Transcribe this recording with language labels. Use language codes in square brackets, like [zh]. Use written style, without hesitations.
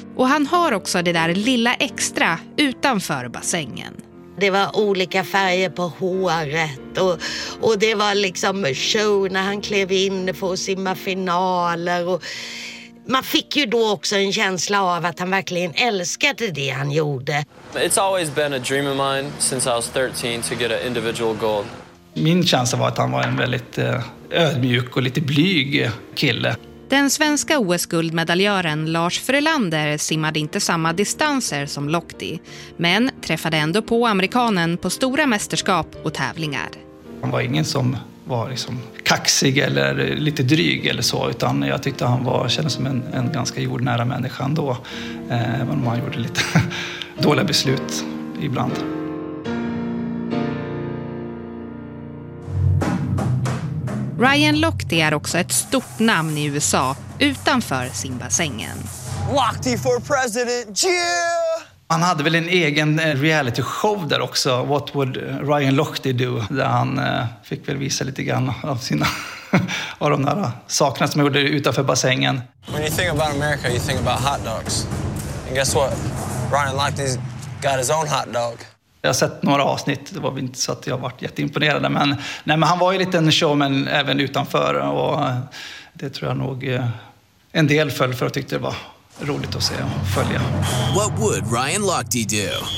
[sv] Och han har också det där lilla extra utanför bassängen. Det var olika färger på håret och det var liksom show när han klev in för att simma finaler. Och man fick ju då också en känsla av att han verkligen älskade det han gjorde. [en] It's always been a dream of mine since I was 13 to get an individual gold. [sv] Min känsla var att han var en väldigt ödmjuk och lite blyg kille. Den svenska OS-guldmedaljören Lars Frölander simmade inte samma distanser som Lochte, men träffade ändå på amerikanen på stora mästerskap och tävlingar. Han var ingen som var liksom kaxig eller lite dryg eller så, utan jag tyckte han var, kändes som en ganska jordnära människa ändå. Även om han gjorde lite dåliga beslut ibland. Ryan Lochte är också ett stort namn i USA utanför simbassängen. [en] Lochte for president, yeah! [sv] Han hade väl en egen reality show där också, What Would Ryan Lochte Do? Där han fick väl visa lite grann av sina av de där sakerna som han gjorde utanför bassängen. [en] When you think about America, you think about hot dogs. And guess what? Ryan Lochte's got his own hot dog. [sv] Jag har sett några avsnitt, det var inte så att jag har varit jätteimponerad. Men, nej, men han var ju lite en showman även utanför. Och det tror jag nog en del föll för att tyckte det var roligt att se och följa. [en] What would Ryan Lochte do?